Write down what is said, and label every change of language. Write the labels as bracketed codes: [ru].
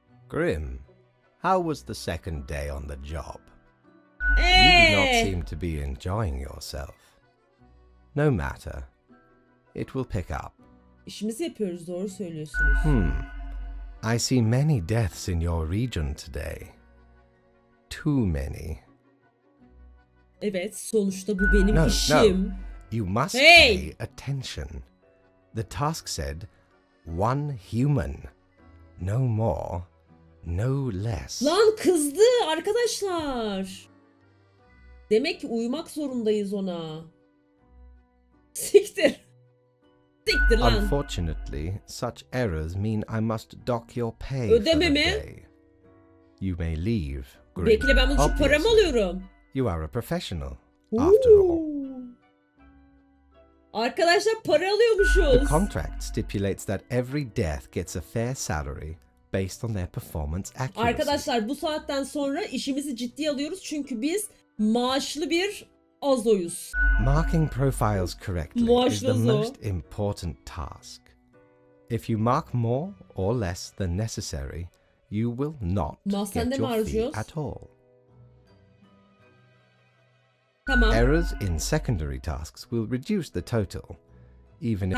[en] Grim, how was the second day on the job? You do not seem to be enjoying yourself. No matter. It will pick up. [tr] İşimizi yapıyoruz, doğru söylüyorsunuz. [en] I see many deaths in your region today. Too many. [tr] Evet, sonuçta bu benim işim. [en] No, you must pay attention. The task said one human. No more. No less. [tr] Lan kızdı arkadaşlar. Demek ki uyumak zorundayız ona. Siktir. Siktir lan. [en] Unfortunately, such errors mean I must dock your pay. [tr] Ödeme mi? [en] You may leave. [tr] Bekle, ben bunun için paramı alıyorum. [en] You are a professional, after all. [tr] Arkadaşlar para alıyormuşuz. [en] The contract stipulates that every death gets a fair salary based on their performance accuracy. [tr] Arkadaşlar bu saatten sonra işimizi ciddiye alıyoruz çünkü biz maaşlı bir azoyuz. [en] Marking profiles correctly is the most important task. If you mark more or less than necessary, you will not get your fee at all. [tr] Tamam. [en] Errors in secondary tasks will reduce the total, even if.